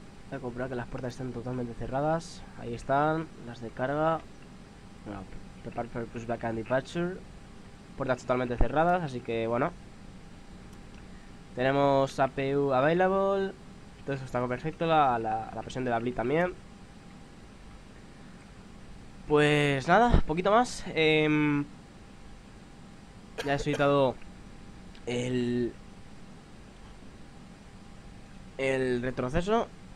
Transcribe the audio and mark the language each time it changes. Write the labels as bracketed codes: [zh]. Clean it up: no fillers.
[es] Voy a comprobar que las puertas estén totalmente cerradas. Ahí están, las de carga. Bueno, [en] prepare for pushback and departure. [es] Puertas totalmente cerradas, así que bueno. Tenemos APU available. Todo eso está perfecto. La presión de la bleed también. Pues nada, poquito más. Ya he solicitado el retroceso.